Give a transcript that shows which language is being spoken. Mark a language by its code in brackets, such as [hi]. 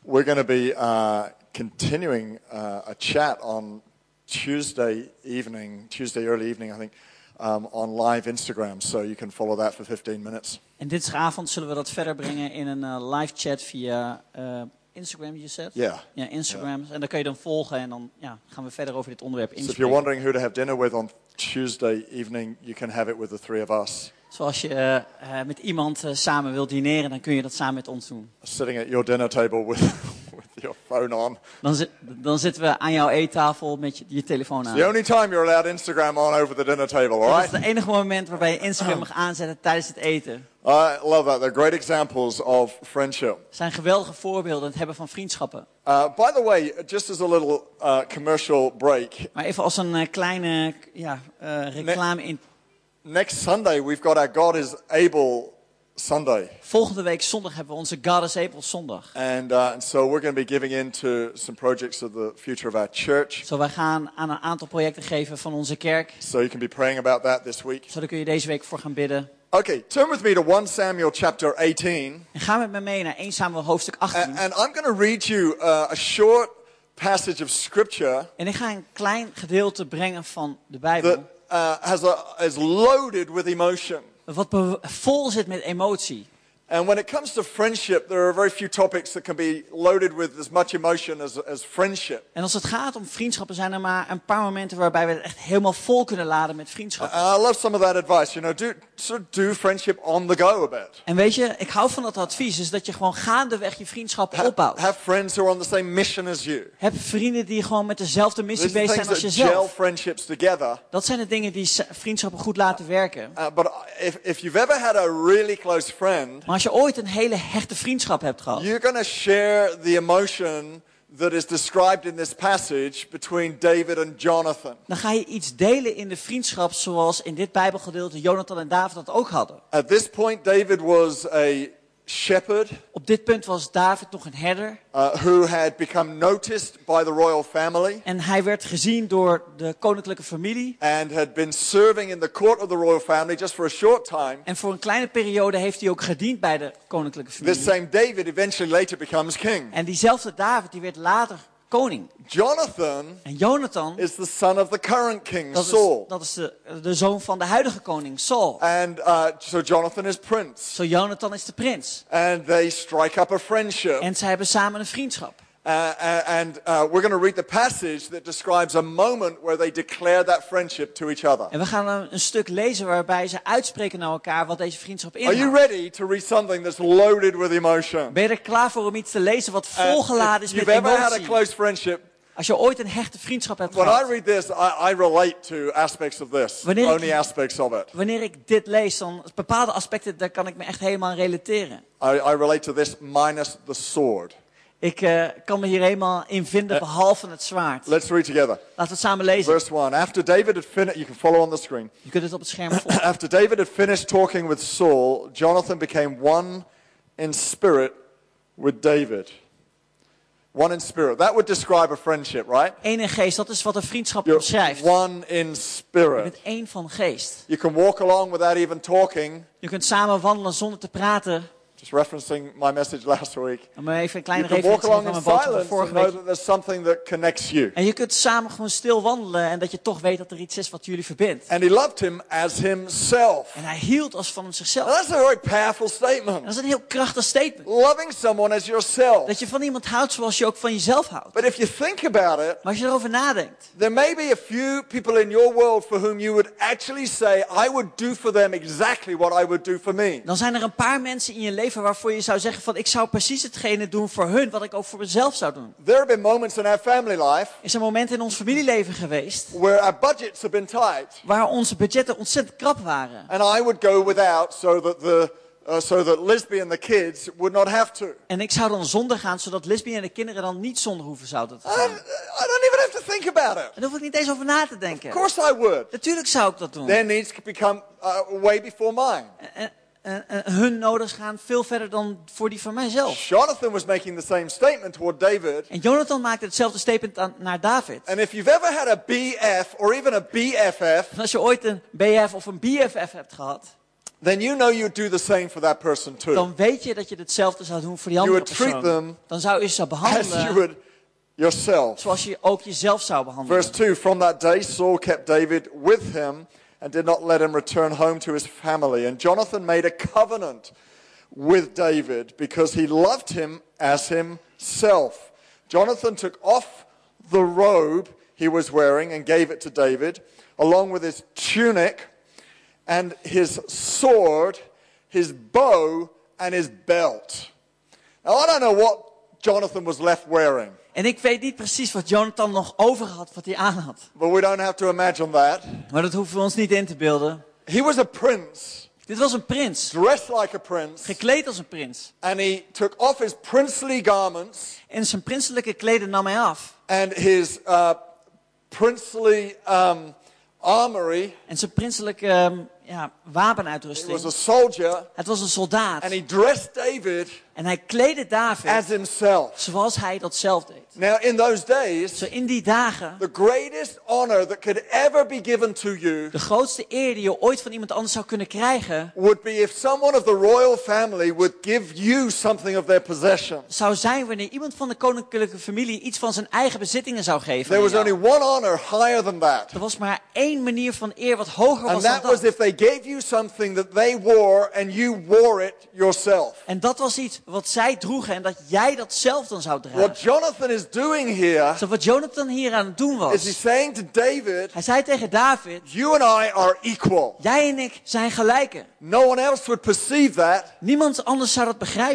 [en] We're going to be continuing a chat on Tuesday early evening, I think, on live Instagram. So you can follow that for 15 minutes. [nl] En dinsdagavond zullen we dat verder brengen in een live chat via Instagram, [en] you said? Yeah, Instagram. Yeah. [nl] En dan kan je dan volgen en dan gaan we verder over dit onderwerp inspreken. [en] So if you're wondering who to have dinner with on Tuesday evening, you can have it with the three of us. [nl] So als je met iemand samen wilt dineren, dan kun je dat samen met ons doen. [en] Sitting at your dinner table with your phone on. [nl] Dan zitten we aan jouw eettafel met je telefoon aan. [en] It's the only time you're allowed Instagram on over the dinner table, all right? [nl] Dat is het enige moment waarbij je Instagram mag aanzetten tijdens het eten. [en] I love that. They're great examples of friendship. [nl] Zijn geweldige voorbeelden het hebben van vriendschappen. [en] By the way, just as a little commercial break. [nl] Maar even als een kleine reclame in. [en] Next Sunday we've got our God is Able Sunday. [nl] Volgende week zondag hebben we onze God is Able zondag. [en] And so we're going to be giving in to some projects of the future of our church. [nl] Zo, wij gaan aan een aantal projecten geven van onze kerk. [en] So you can be praying about that this week. [nl] Zo, daar kun je deze week voor gaan bidden. [en] Okay, turn with me to 1 Samuel chapter 18. [nl] En ga met me mee naar 1 Samuel hoofdstuk 18. [en] And I'm going to read you a short passage of scripture. [nl] En ik ga een klein gedeelte brengen van de Bijbel. [en] That is loaded with emotion. [nl] Wat vol zit met emotie. [en] And when it comes to friendship, there are very few topics that can be loaded with as much emotion as friendship. [nl] En als het gaat om vriendschappen, zijn er maar een paar momenten waarbij we het echt helemaal vol kunnen laden met vriendschap. [en] I love some of that advice. You know, do friendship on the go a bit. [nl] En weet je, ik hou van dat advies, is dat je gewoon gaandeweg je vriendschap opbouwt. [en] Have friends who are on the same mission as you. [nl] Heb vrienden die gewoon met dezelfde missie bezig zijn als jezelf. [en] Gel friendships together. [nl] Dat zijn de dingen die vriendschappen goed laten werken. [en] But if you've ever had a really close friend. [nl] Als je ooit een hele hechte vriendschap hebt gehad, [en] you're gonna share the emotion that is described in this passage between David and Jonathan. [nl] Dan ga je iets delen in de vriendschap zoals in dit Bijbelgedeelte Jonathan en David dat ook hadden. [en] At this point David was a shepherd. [nl] Op dit punt was David nog een herder. [en] Who had become noticed by the royal family. [nl] En hij werd gezien door de koninklijke familie. [en] And had been serving in the court of the royal family just for a short time. [nl] En voor een kleine periode heeft hij ook gediend bij de koninklijke familie. [en] This same David eventually later becomes king. [nl] En diezelfde David die werd later koning. [en] Jonathan is the son of the current king, [nl] dat is, Saul. Dat is de zoon van de huidige koning, Saul. [en] And so Jonathan is prince. [nl] So Jonathan is de prins. [en] And they strike up a friendship. [nl] En zij hebben samen een vriendschap. [en] And we're going to read the passage that describes a moment where they declare that friendship to each other. [nl] En we gaan een stuk lezen waarbij ze uitspreken naar elkaar wat deze vriendschap inhoudt. [en] Are you ready to read something that's loaded with emotion? [nl] Ben je er klaar voor om iets te lezen wat volgeladen is met emotie? [en] You've ever had a close friendship. [nl] Als je ooit een hechte vriendschap hebt [en] when I read this, I relate to aspects of this, [nl] wanneer [en] only aspects of it. [nl] Wanneer ik dit lees, dan bepaalde aspecten daar kan ik me echt helemaal aan relateren. [en] I relate to this minus the sword. [nl] Ik kan me hier helemaal in vinden behalve het zwaard. [en] Let's read together. [nl] Laten we samen lezen. [en] Verse 1. After David had finished, you can follow on the screen. [nl] Je kunt het op het scherm volgen. [en] After David had finished talking with Saul, Jonathan became one in spirit with David. One in spirit. That would describe a friendship, right? [nl] Eén in geest, dat is wat een vriendschap [en] you're [nl] omschrijft. [en] One in spirit. [nl] Met één van geest. [en] You can walk along without even talking. [nl] Je kunt samen wandelen zonder te praten. [en] Just referencing my message last week. [nl] Maar even een kleine [en] you can walk along in silence and know that there's something that connects you. [nl] En je kunt samen gewoon stil wandelen en dat je toch weet dat er iets is wat jullie verbindt. [en] And he loved him as himself. [nl] En hij hield als van zichzelf. [en] Now that's a very powerful statement. [nl] Dat is een heel krachtig statement. [en] Loving someone as yourself. [nl] Dat je van iemand houdt zoals je ook van jezelf houdt. [en] But if you think about it. [nl] Maar als je erover nadenkt. [en] There may be a few people in your world for whom you would actually say I would do for them exactly what I would do for me. [nl] Dan zijn er een paar mensen in je leven waarvoor je zou zeggen van ik zou precies hetgene doen voor hun wat ik ook voor mezelf zou doen. [en] There have been moments in our family life. [nl] Is er momenten in ons familieleven geweest [en] where our budgets have been tight. [nl] Waar onze budgetten ontzettend krap waren. [en] And I would go without so that Lisby and the kids would not have to. [nl] En ik zou dan zonder gaan zodat Lisby en de kinderen dan niet zonder hoeven zouden te gaan. [en] I don't even have to think about it. [nl] Dan hoef ik niet eens over na te denken. [en] Of course I would. [nl] Natuurlijk zou ik dat doen. [en] Their needs could become way before mine. [nl] Hun nodig gaan veel verder dan voor die van mijzelf. [en] Jonathan was making the same statement toward David. [nl] En Jonathan maakte hetzelfde statement naar David. [en] And if you've ever had a BF or even a BFF. [nl] Als je ooit een BF of een BFF hebt gehad. [en] Then you know you'd do the same for that person too. [nl] Dan weet je dat je hetzelfde zou doen voor die andere [en] you would treat [nl] persoon. [en] Them [nl] dan zou je ze behandelen. [en] As you would yourself. [nl] Zoals je ook jezelf zou behandelen. [en] Verse 2. From that day Saul kept David with him. And did not let him return home to his family. And Jonathan made a covenant with David because he loved him as himself. Jonathan took off the robe he was wearing and gave it to David, along with his tunic and his sword, his bow and his belt. Now, I don't know what Jonathan was left wearing. [nl] En ik weet niet precies wat Jonathan nog over had, wat hij aan had. [en] But we don't have to imagine that. [nl] Maar dat hoeven we ons niet in te beelden. [en] He was a prince. [nl] Dit was een prins. [en] Dressed like a prince. [nl] Gekleed als een prins. [en] And he took off his princely garments. [nl] En zijn prinselijke kleden nam hij af. [en] And his princely armory. [nl] En zijn prinselijke wapenuitrusting. [en] He was a soldier. [nl] Het was een soldaat. [en] And he dressed David. [nl] En hij kleedde David [en] as himself. [nl] Zoals hij dat zelf deed. [en] Now in those days, [nl] so in die dagen, [en] the greatest honor that could ever be given to you, [nl] de grootste eer die je ooit van iemand anders zou kunnen krijgen, [en] would be if someone of the royal family would give you something of their possession. [nl] Zou zijn wanneer iemand van de koninklijke familie iets van zijn eigen bezittingen zou geven. [en] There was only one honor higher than that. [nl] Er was maar één manier van eer wat hoger [en] and [nl] was dan dat. [en] And that was if they gave you something that they wore and you wore it yourself. [nl] En dat was iets wat zij droegen en dat jij dat zelf dan zou dragen. [en] What Jonathan is doing here, [nl] so wat Jonathan hier aan het doen was, [en] is he's saying to David, [nl] hij zei tegen David, [en] you and I are equal. [nl] Jij en ik zijn gelijken. [en] No one else would perceive that. [nl] Niemand anders zou dat begrijpen.